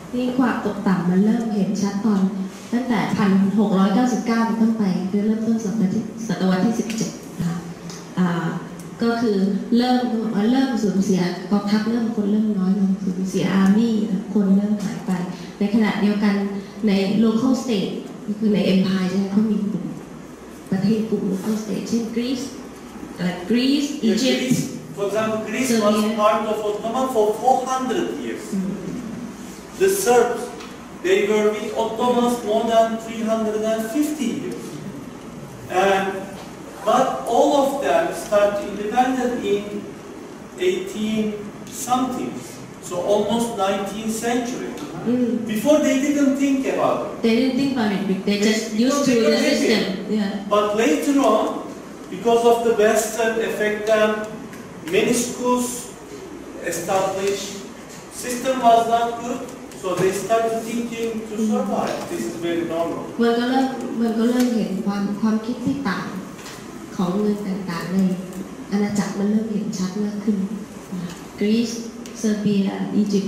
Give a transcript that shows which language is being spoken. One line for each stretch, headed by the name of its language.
Thai: ที่ความตกต่ำมันเริ่มเห็นชัดตอนตั้งแต่1699ต้นไปคือเริ่มต้นศตวรรษที่17ก็คือเริ่มสูญเสียกองทัพเริ่มคนเริ่มน้อยลงสูญเสียอาร์มี่คนเริ่มหายไปในขณะเดียวกันใน local state คือใน empire ใช่ไหมก็มีกลุ่มประเทศกลุ่ม local state เช่นกรีซอียิปต์
English: for example Greece was part of Ottoman for 400 years the Serbs they were with Ottomans more than 350 years andBut all of them start independent in 18-something, so almost 19th century. Before they didn't think about it. They didn't think about it, they just used to the system. Yeah. But later on, because of the Western effect, many schools established, system was not good. So they started thinking to survive. This is very normal.
Thai: มันก็เริ่มเห็นความคิดที่ต่างข ของเงินต่างๆในอาณาจักรมันเริ่มเห็นชัดมากขึ้นกรีซเซอร์เบียอียิปต